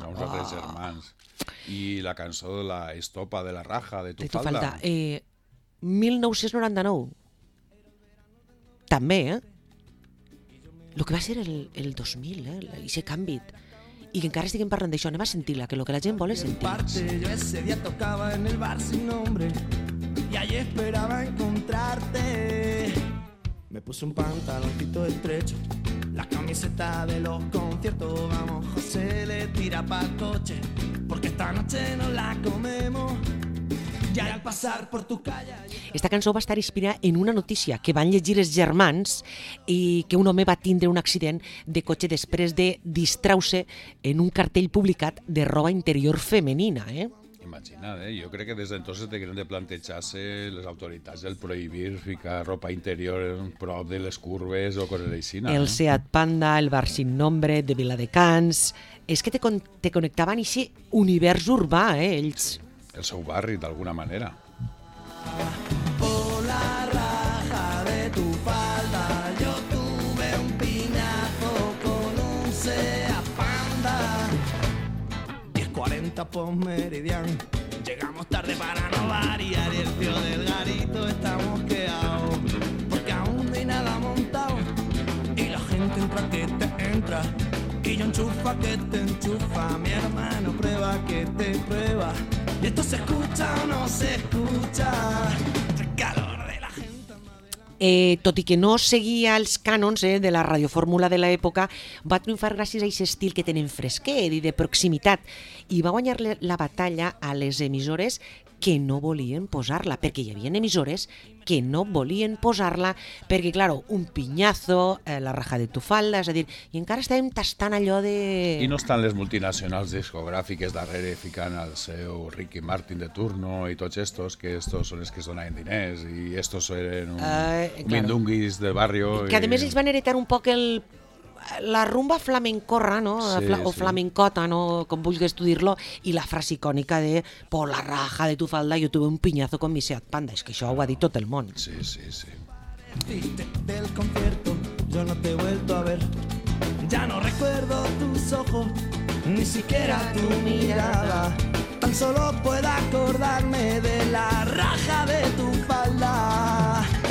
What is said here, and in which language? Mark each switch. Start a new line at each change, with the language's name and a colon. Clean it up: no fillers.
Catalan: Germans, uns altres germans. I la cançó de la Estopa, de la Raja, de Tu Falda. De Tu Falda. 1999. També, Lo que va ser el 2000, ese canvi. Y que encara estiguen parlant d'això, anem a sentir-la, que lo que la gent vol es sentir.
Spanish: Parte, yo ese día tocaba en el bar sin nombre y allí esperaba encontrarte. Me puse un pantaloncito estrecho, la camiseta de los conciertos. Vamos, José, le tira pa'l coche porque esta noche nos la comemos. Y al pasar por tu calle...
Catalan: Esta cançó va estar inspirada en una notícia que van llegir els germans i que un home va tindre un accident de cotxe després de distrau-se en un cartell publicat de roba interior femenina. Imagina't, jo crec que des d'entonces haurien de plantejar-se les autoritats del prohibir ficar roba interior prop de les curves o coses així. El Seat Panda, el Bar Sin Nombre, de Viladecans... És que te connectaven així univers urbà, ells. Sí, el seu barri, d'alguna manera.
Spanish: Por la raja de tu falda yo tuve un piñazo con un Seat Panda. 10:40 post meridian, llegamos tarde para no variar y el tío del garito está mosqueado porque aún no hay nada montado y la gente entra que te entra y yo enchufa que te enchufa, mi hermano prueba que te prueba. Esto se escucha o no se escucha, el calor de la gente.
Catalan: Tot i que no seguia els cànons de la radiofórmula de l'època, va triomfar gràcies a aquest estil que tenen fresquet i de proximitat i va guanyar la batalla a les emissores que no volien posar-la, perquè hi havia emissores que no volien posar-la, perquè, claro,
Spanish: un piñazo, la raja de tu falda,
Catalan: és a dir, i encara estem tastant allò de... I no estan les multinacionals discogràfiques darrere ficant al seu Ricky Martin de turno i tots estos, que estos són els que donaven diners i estos eren un mindunguis del barri. Que, a més, ells van heretar un poc la rumba flamencorra, no? Sí, o flamencota, no? Com vulguis tu dir-lo, i la frase icònica de
Spanish: «Por la raja de tu falda, yo tuve un piñazo con mi Seat Panda».
Catalan: És que això ho ha dit tot el món. Sí, sí, sí.
Spanish: Del concierto yo no te he vuelto a ver. Ya no recuerdo tus ojos, ni siquiera tu mirada. Tan solo puedo acordarme de la raja de tu falda.